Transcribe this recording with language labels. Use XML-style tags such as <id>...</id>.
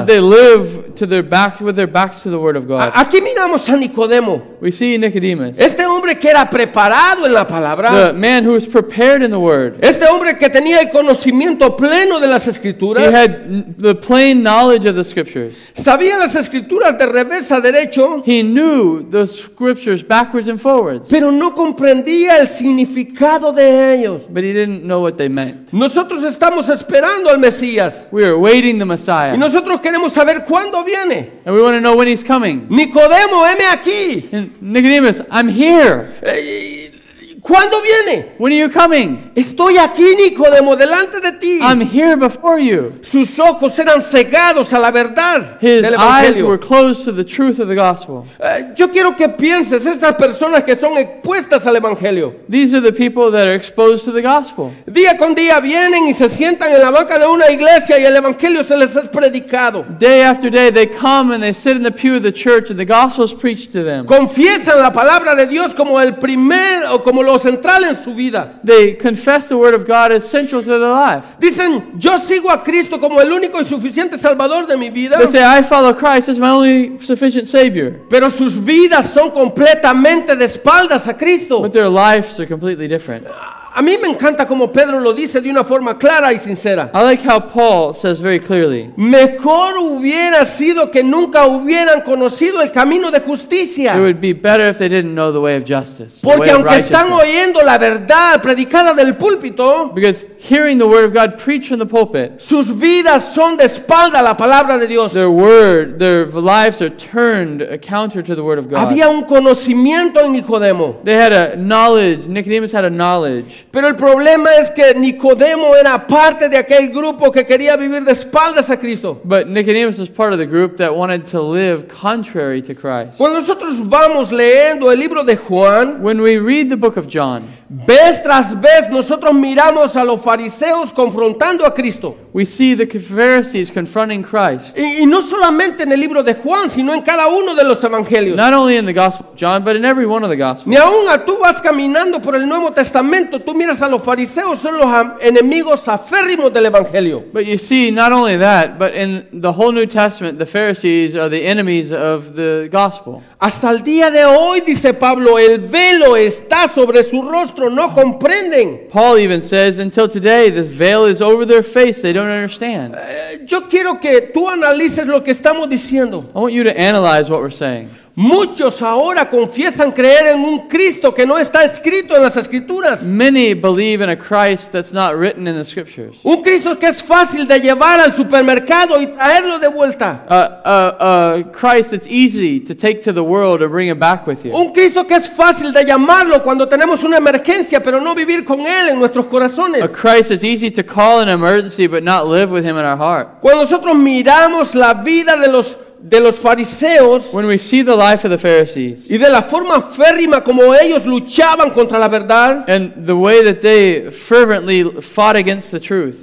<en>But they live to their backs, with their backs to the Word of God.</en> <es>Aquí miramos a Nicodemo.</es> <en>We see Nicodemus.</en> <es>Este hombre que era preparado en la palabra.</es> <en>The man who was prepared in the Word.</en> <es>Este hombre que tenía el conocimiento pleno de las Escrituras.</es> <en>He had the plain knowledge of the Scriptures.</en> <es>Sabía las Escrituras de revés a derecho.</es> <en>He knew the Scriptures backwards and forwards.</en> <es>Pero no comprendía el significado de ellos.</es> <en>But he didn't know what they meant.</en> <es>Nosotros estamos esperando al Mesías.</es> <en>We are waiting the Messiah.</en> <es>Y nosotros queremos saber cuándo viene.</es> <en>And we want to know when he's coming.</en> <es>Nicodemo, heme aquí.</es> <en>Nicodemus, I'm here.</en> <es>¿Cuándo viene?</es> <en>When are you coming?</en> <es>Estoy aquí, Nicodemo, delante de ti.</es> <en>I'm here before you.</en> <es>Sus ojos eran cegados a la verdad.</es> <en>His eyes were closed to the truth of the gospel.</en> <es>Yo quiero que pienses estas personas que son expuestas al evangelio.</es> <en>These are the people that are exposed to the gospel.</en> <es>Día con día vienen y se sientan en la banca de una iglesia y el evangelio se les es predicado.</es> <en>Day after day they come and they sit in the pew of the church and the gospel is preached to them.</en> <es>Confiesan la palabra de Dios como el primer o como lo central en su vida.</es> <en>They confess the word of God as central to their life.</en> <es>Dicen, yo sigo a Cristo como el único y suficiente salvador de mi vida.</es> <en>They say, I follow Christ as my only sufficient savior.</en> <es>Pero sus vidas son completamente de espaldas a Cristo.</es> <en>But their lives are completely different.</en> <es>A mí me encanta como Pedro lo dice de una forma clara y sincera.</es> <en>I like how Paul says very clearly.</en> <es>Mejor hubiera sido que nunca hubieran conocido el camino de justicia.</es> <en>It would be better if they didn't know the way of justice.</en> <es>Porque aunque están oyendo la verdad predicada del púlpito,</es> <en>because hearing the word of God preached from the pulpit,</en> <es>sus vidas son de espalda a la palabra de Dios.</es> <en>Their lives are turned counter to the word of God.</en> <es>Había un conocimiento en Nicodemo.</es> <en>They had a knowledge. Nicodemus had a knowledge.</en> <es>Pero el problema es que Nicodemo era parte de aquel grupo que quería vivir de espaldas a Cristo.</es> <en>But Nicodemus was part of the group that wanted to live contrary to Christ.</en> <es>Cuando nosotros vamos leyendo el libro de Juan,</es> <en>when we read the book of John,</en> <es>vez tras vez nosotros miramos a los fariseos confrontando a Cristo.</es> <en>We see the Pharisees confronting Christ.</en> <es>Y no solamente en el libro de Juan, sino en cada uno de los evangelios.</es> <en>Not only in the Gospel of John, but in every one of the Gospels.</en> <es>Ni aún a tú vas caminando por el Nuevo Testamento, tú miras a los fariseos, son los enemigos aférrimos del evangelio.</es> <en>But you see, not only that, but in the whole New Testament, the Pharisees are the enemies of the Gospel.</en> <es>Hasta el día de hoy, dice Pablo, el velo está sobre su rostro, no comprenden.</es> <en>Paul even says, until today, the veil is over their face, they don't understand.</en> <es>Yo quiero que tú analices lo que estamos diciendo.</es> <en>I want you to analyze what we're saying.</en> <es>Muchos ahora confiesan creer en un Cristo que no está escrito en las Escrituras.</es> <en>Many believe in a Christ that's not written in the Scriptures.</en> <es>Un Cristo que es fácil de llevar al supermercado y traerlo de vuelta.</es> <en>A Christ that's easy to take to the world and bring it back with you.</en> <es>Un Cristo que es fácil de llamarlo cuando tenemos una emergencia, pero no vivir con él en nuestros corazones.</es> <en>A Christ that's easy to call an emergency, but not live with him in our heart.</en> <es>Cuando nosotros miramos la vida de los fariseos,</es> <en>when we see the life of the Pharisees,</en> <es>y de la forma férrima como ellos luchaban contra la verdad,</es> <en>and the way that they fervently fought against the truth,</en>